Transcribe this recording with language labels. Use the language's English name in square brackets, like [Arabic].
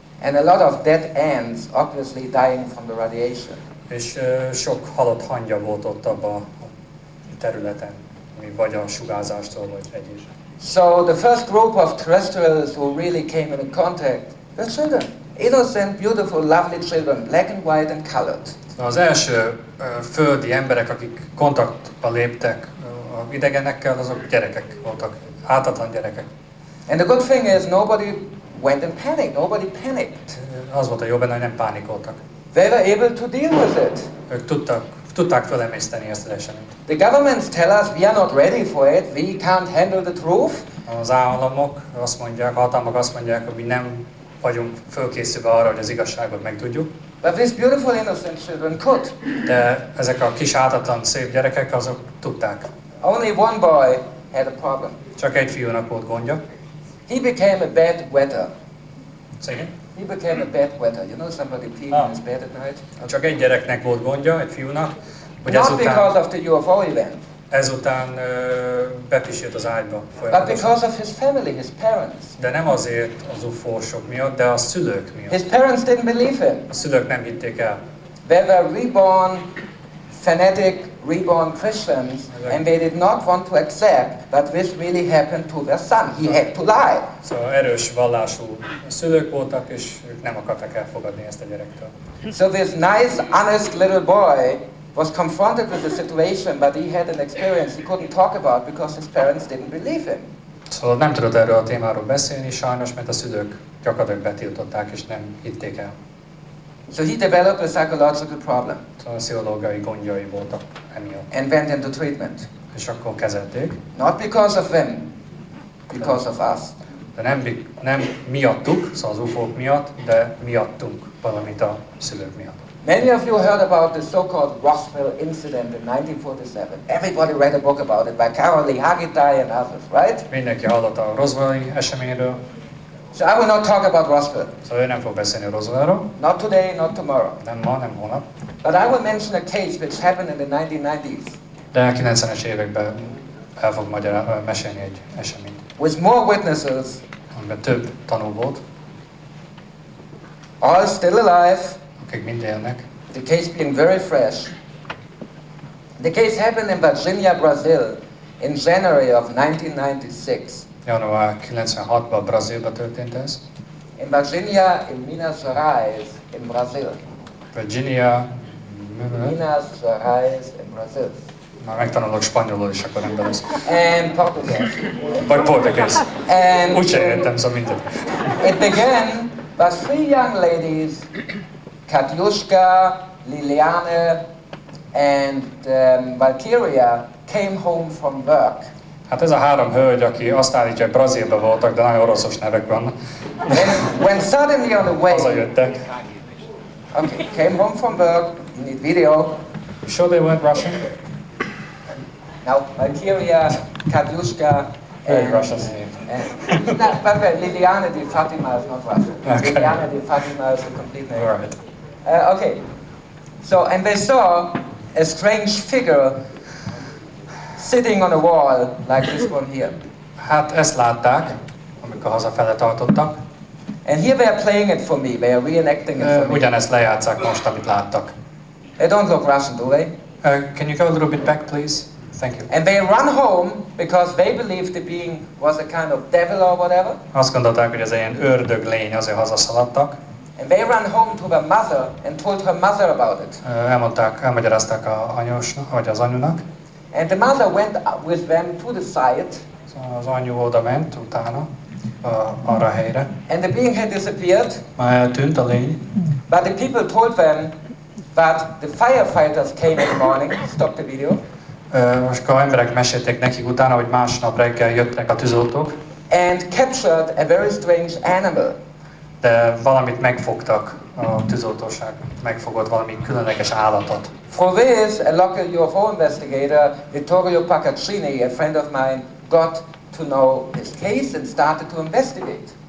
[English] And a lot of dead ants, obviously dying from the radiation. [Hungarian] És sok halott hangya volt ott abban a területen, ami vagy a sugárzástól, vagy egyéb. [English] So the first group of terrestrials who really came into contact were children. Innocent, beautiful, lovely children, black and white and colored. [Hungarian] Az első földi emberek, akik kontaktba léptek a idegenekkel, azok gyerekek voltak, ártatlan gyerekek. [English] And the good thing is nobody went in panic, nobody panicked. [Hungarian] Az volt a jó benne, hogy nem pánikoltak. [English] They were able to deal with it. [Hungarian] Ők tudták felemészteni ezt az eseményt. [English] The governments tell us we are not ready for it, we can't handle the truth. [Hungarian] Az államok azt mondják, a hatalmak azt mondják, hogy mi nem vagyunk fölkészülve arra, hogy az igazságot megtudjuk. [English] But these beautiful innocent children could. [Hungarian] De ezek a kis ártatlan szép gyerekek azok tudták. [English] Only one boy had a problem. [Hungarian] Csak egy fiúnak volt gondja. [English] He became a bad wetter. [Hungarian] Szegény? [English] He became a bad wetter. You know somebody peeing in his bed at night? [Hungarian] Csak egy gyereknek volt gondja, egy fiúnak, hogy [English] not [Hungarian] ezután... [English] Not because of the UFO event. [Hungarian] Ezután bepisült az ágyba. [English] But because of his family, his parents. [Hungarian] De nem azért az UFO-sok miatt, de a szülők miatt. [English] His parents didn't believe him. [Hungarian] A szülők nem hitték el. [English] They were reborn, fanatic, reborn Christians, and they did not want to accept that this really happened to their son. He had to lie. [Hungarian] Szóval erős vallású szülők voltak, és ők nem akarták elfogadni ezt a gyerektől. [English] So this nice, honest little boy was confronted with the situation, but he had an experience he couldn't talk about because his parents didn't believe him. [Hungarian] Szóval nem tudott erről a témáról beszélni sajnos, mert a szülők gyakorlatilag betiltották és nem hitték el. [English] So he developed a psychological problem. [Hungarian] Szóval a pszichológiai gondjai voltak emiatt. [English] And went into treatment. [Hungarian] És akkor kezelték. [English] Not because of them, because of us. [Hungarian] De nem miattuk, szóval az UFO-k miatt, de miattunk valamit a szülők miatt. [English] Many of you heard about the so-called Roswell incident in 1947. Everybody read a book about it by Károly, Hargitai and others, right? [Hungarian] Mindenki hallott a roswelli eseményről. [English] So I will not talk about Roswell. [Hungarian] Szóval én nem fogok beszélni Roswellről. [English] Not today, not tomorrow. [Hungarian] Nem ma, nem holnap. [English] But I will mention a case which happened in the 1990s. [Hungarian] De a 90-es években el fog mesélni egy eseményt. [English] With more witnesses. [Hungarian] Amiben több tanú volt. [English] All still alive. [Hungarian] Akik mind élnek. [English] The case being very fresh. The case happened in Virginia, Brazil, in January of 1996. [Hungarian] Január 96-ban Brazílban történt ez. [English] In Virginia, in Minas Gerais, in Brazil. Virginia, Minas Gerais, in Brazil. [Hungarian] Már megtanulok spanyolul is, akkor nem belősz. [English] And Portuguese. [Hungarian] Vagy Portuguese. And úgyse értem, szóval mindent. [English] It began by three young ladies, Katyushka, Liliane, and Valkyria came home from work. [Hungarian] Hát ez a három hölgy, aki azt állítja, hogy Brazílban voltak, de nagyon oroszos nevek van. [English] When suddenly on the way... [Hungarian] Hazajöttek. [English] Okay, came home from work, you need video. You sure they weren't Russian? Now, Valkyria, Katyushka... Very Russian name. By the way, Liliane di Fatima is not Russian. Okay. Liliane di Fatima is a complete name. Alright. Okay, so, and they saw a strange figure sitting on a wall, like this one here. [Hungarian] Hát ezt látták, amikor hazafele tartottak. [English] And here they are playing it for me, they are reenacting it for me. [Hungarian] Ugyanezt lejátszák most, amit láttak. [English] They don't look Russian, do they? Can you go a little bit back, please? Thank you. And they run home, because they believed the being was a kind of devil or whatever. [Hungarian] Azt gondolták, hogy ez egy ilyen ördög lény, azért hazaszaladtak. [English] And they ran home to their mother and told her mother about it. [Hungarian] Elmondták, elmagyarázták a anyósnak, vagy az anyunak. [English] And the mother went with them to the site. [Hungarian] Szóval az anyu oda ment utána, arra a helyre. [English] And the being had disappeared. [Hungarian] Már eltűnt a lény. [English] But the people told them that the firefighters came in the morning. Stop the video. [Hungarian] Most akkor emberek mesélték nekik utána, hogy másnap reggel jöttek a tűzoltók. [English] And captured a very strange animal. [Hungarian] De valamit megfogtak a tűzoltóság, megfogott valami különleges állatot. [English] For this, a local UFO investigator, Vittorio Pacaccini, a friend of mine, got to know this case and started to investigate.